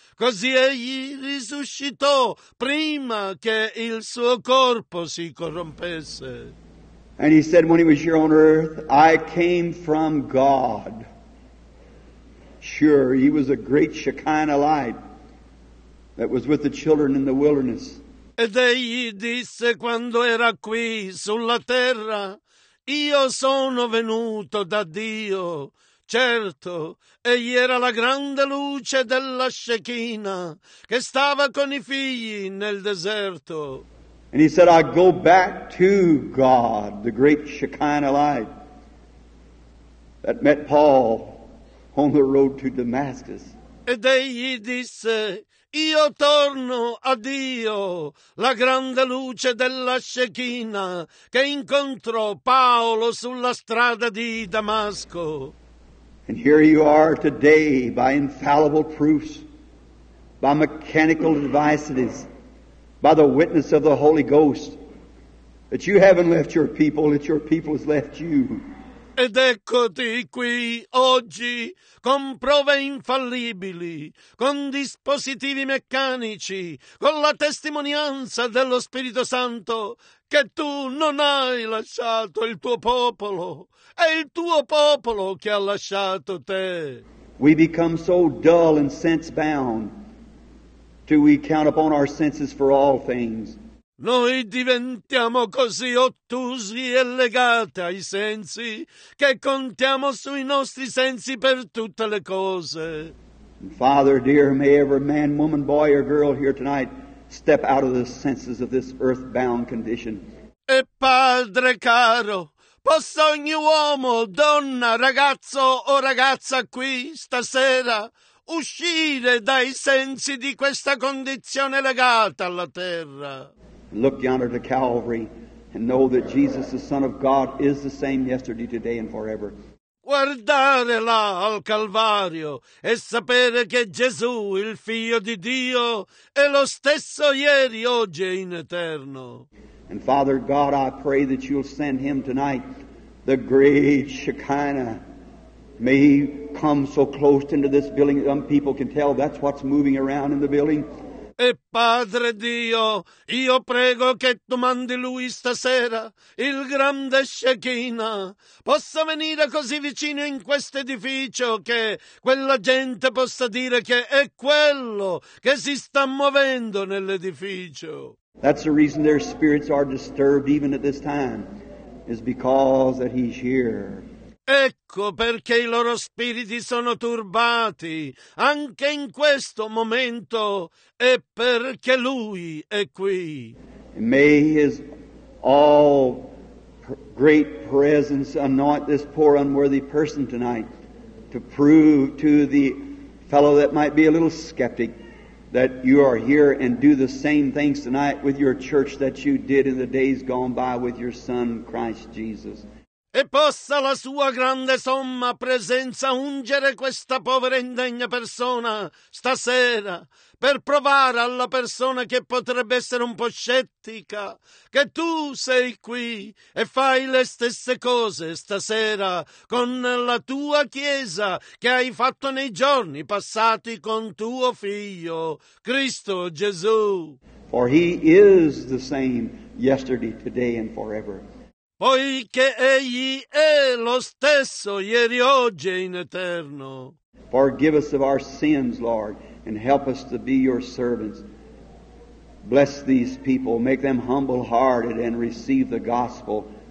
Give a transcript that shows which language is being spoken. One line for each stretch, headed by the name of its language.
Italian: Così egli risuscitò prima che il suo corpo si corrompesse.
English: And he said when he was here on earth, I came from God. Sure, he was a great Shekinah light that was with the children in the wilderness.
Italian: Ed egli disse quando era qui sulla terra, io sono venuto da Dio. Certo, egli era la grande luce della Shekinah che stava con i figli nel deserto.
English: And he said, I go back to God, the great Shekinah light that met Paul on the road to Damascus.
Italian: Ed egli disse, io torno a Dio, la grande luce della Shekinah che incontrò Paolo sulla strada di Damasco.
English: And here you are today by infallible proofs, by mechanical devices, by the witness of the Holy Ghost, that you haven't left your people, that your people has left you.
Italian: Ed eccoti qui oggi con prove infallibili, con dispositivi meccanici, con la testimonianza dello Spirito Santo che tu non hai lasciato il tuo popolo, è il tuo popolo che ha lasciato te.
English: We become so dull and sense-bound till we count upon our senses for all things.
Italian: Noi diventiamo così ottusi e legati ai sensi che contiamo sui nostri sensi per tutte le cose.
English: And Father dear, may every man, woman, boy or girl here tonight step out of the senses of this earthbound condition.
Italian: E Padre caro, possa ogni uomo, donna, ragazzo o ragazza qui stasera uscire dai sensi di questa condizione legata alla terra.
English: Look yonder to Calvary and know that Jesus, the Son of God, is the same yesterday, today and forever.
Italian: Guardare là al Calvario e sapere che Gesù, il Figlio di Dio, è lo stesso ieri, oggi e in eterno.
English: And Father God, I pray that you'll send him tonight, the great Shekinah. May he come so close into this building, some people can tell that's what's moving around in the building.
Italian: E Padre Dio, io prego che tu mandi lui stasera, il grande Shekinah, possa venire così vicino in questo edificio che quella gente possa dire che è quello che si sta muovendo nell'edificio.
English: That's the reason their spirits are disturbed even at this time, is because that he's here.
Italian: Ecco perché i loro spiriti sono turbati anche in questo momento, è perché lui è qui.
English: May his all great presence anoint this poor unworthy person tonight to prove to the fellow that might be a little skeptic that you are here, and do the same things tonight with your church that you did in the days gone by with your son Christ Jesus.
Italian: E possa la sua grande somma presenza ungere questa povera indegna persona stasera per provare alla persona che potrebbe essere un po' scettica che tu sei qui e fai le stesse cose stasera con la tua chiesa che hai fatto nei giorni passati con tuo figlio Cristo Gesù.
English: For he is the same yesterday, today and forever.
Italian: Poiché egli è lo stesso ieri, oggi e in eterno.
English: Forgive us of our sins, Lord, and help us to be your servants. Bless these people, make them humble-hearted and receive the gospel.